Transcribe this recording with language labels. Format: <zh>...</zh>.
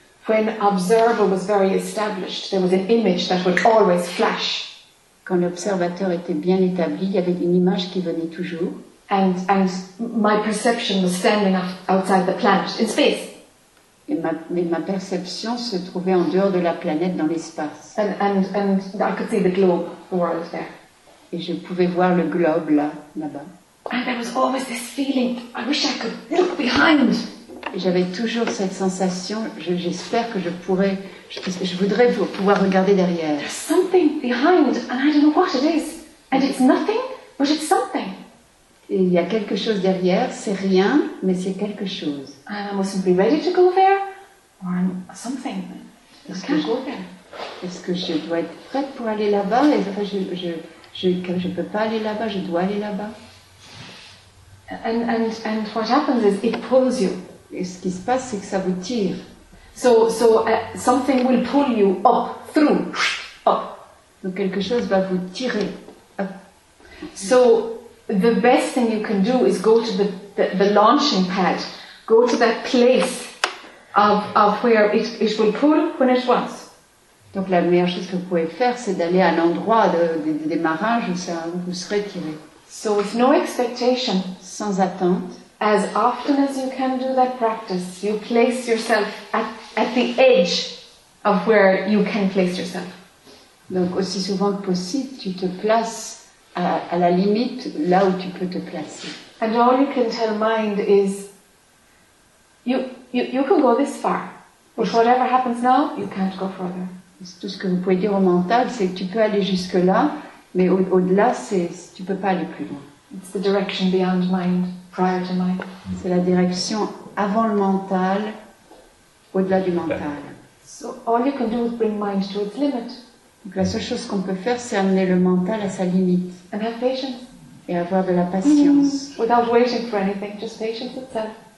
<en>When observer was very established, there was an image that would always flash.</en> <fr>Quand l'observateur était bien établi, il y avait une image qui venait toujours.</fr> <en>And my perception was standing outside the planet, in space.</en> <fr>Et ma perception se trouvait en dehors de la planète, dans l'espace.</fr> <en>And I could see the globe, the world there.</en> <fr>Et je pouvais voir le globe là-bas.</fr> <en>And there was always this feeling, I wish I could look behind.</en> <fr>Et j'avais toujours cette sensation, j'espère que je pourrais, je voudrais pouvoir regarder derrière.</fr> <en>There's something behind, and I don't know what it is. And it's nothing, but it's something.</en> <fr>Et il y a quelque chose derrière, c'est rien, mais c'est quelque chose.</fr> <en>And I mustn't be ready to go there, or something. I can't go there.</en> <fr>Est-ce que je dois être prête pour aller là-bas, et après je ne peux pas aller là-bas, je dois aller là-bas.</fr> <en>And what happens is, it pulls you.</en> <fr>Et ce qui se passe, c'est que ça vous tire.</fr> <en>So, something will pull you up, through, up.</en> <fr>Donc quelque chose va vous tirer. Up.</fr> <en>So, the best thing you can do is go to the launching pad. Go to that place of where it will pull when it wants.</en> <fr>Donc la meilleure chose que vous pouvez faire, c'est d'aller à l'endroit de démarrage où ça vous serez tiré.</fr> <en>So with no expectation,</en> <fr>sans attente,</fr> <en>as often as you can do that practice, you place yourself at the edge of where you can place yourself.</en> <fr>Donc aussi souvent que possible, tu te places à la limite là où tu peux te placer.</fr> <en>And all you can tell mind is, you can go this far, but whatever happens now, you can't go further.</en> <fr>Tout ce que vous pouvez dire au mental, c'est que tu peux aller jusque là, mais au-delà, c'est tu peux pas aller plus loin.</fr> <en>It's the direction beyond mind, prior to mind.</en> <fr>C'est la direction avant le mental, au-delà du mental.</fr> <en>So all you can do is bring mind to its limit.</en> <fr>Donc la seule chose qu'on peut faire, c'est amener le mental à sa limite.</fr> <en>And have patience.</en> <fr>Et avoir de la patience.</fr> <en>Without waiting for anything, just patience itself.</en>